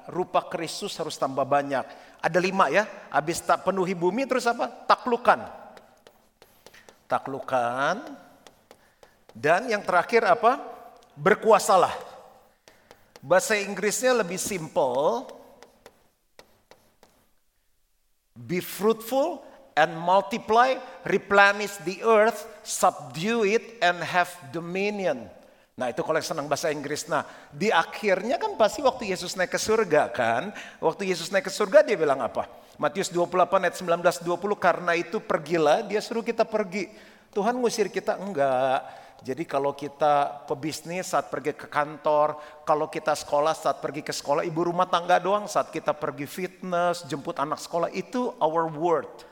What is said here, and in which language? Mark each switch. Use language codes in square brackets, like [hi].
[id] Rupa Kristus harus tambah banyak. Ada 5 ya. Habis tak penuhi bumi terus apa? Taklukan. Taklukan. Dan yang terakhir apa? Berkuasalah. Bahasa Inggrisnya lebih simple. [en] Be fruitful and multiply, replenish the earth, subdue it and have dominion. [id] Nah itu kalau senang bahasa Inggris. Nah di akhirnya kan pasti waktu Yesus naik ke surga kan. Waktu Yesus naik ke surga dia bilang apa? Matius 28 ayat 19-20, karena itu pergilah, dia suruh kita pergi. Tuhan ngusir kita? Enggak. Jadi kalau kita pebisnis saat pergi ke kantor, kalau kita sekolah saat pergi ke sekolah, ibu rumah tangga doang saat kita pergi fitness, jemput anak sekolah, itu [en] our word.